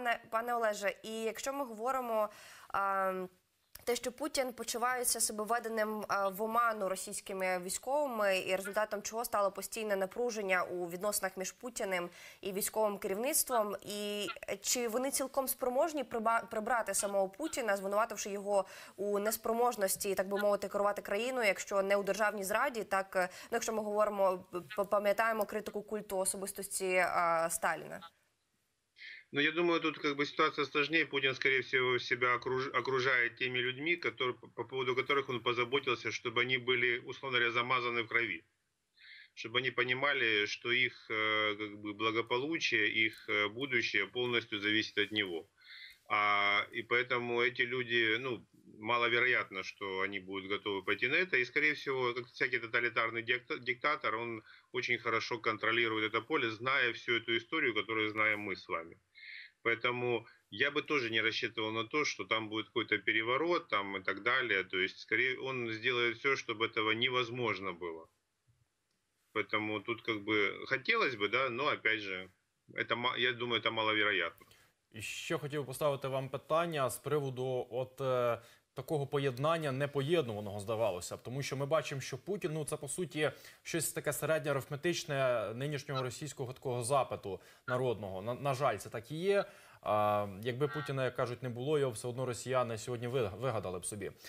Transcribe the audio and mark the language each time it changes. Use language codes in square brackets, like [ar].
[uk] Пане Олеже, і якщо ми говоримо те, що Путін почувається себе введеним в оману російськими військовими, і результатом чого стало постійне напруження у відносинах між Путіним і військовим керівництвом, і чи вони цілком спроможні прибрати самого Путіна, звинувативши його у неспроможності, так би мовити, керувати країною, якщо не у державній зраді, так, ну, якщо ми говоримо, пам'ятаємо критику культу особистості Сталіна? [ru] Но я думаю, тут как бы ситуация сложнее. Путин, скорее всего, себя окружает теми людьми, которые, по поводу которых он позаботился, чтобы они были, условно говоря, замазаны в крови. Чтобы они понимали, что их как бы благополучие, их будущее полностью зависит от него. И поэтому эти люди, ну, маловероятно, что они будут готовы пойти на это. И, скорее всего, как всякий тоталитарный диктатор, он очень хорошо контролирует это поле, зная всю эту историю, которую знаем мы с вами. Поэтому я бы тоже не рассчитывал на то, что там будет какой-то переворот там и так далее. То есть, скорее, он сделает все, чтобы этого невозможно было. Поэтому тут как бы хотелось бы, да, но опять же, это, я думаю, это маловероятно. Еще хотел бы поставить вам [uk] питання с приводу от такого поєднання непоєднуваного, здавалося б. Тому що ми бачимо, що Путін, ну, це, по суті, щось таке середньоарифметичне нинішнього російського такого запиту народного. На жаль, це так і є. Якби Путіна, як кажуть, не було, його все одно росіяни сьогодні вигадали б собі.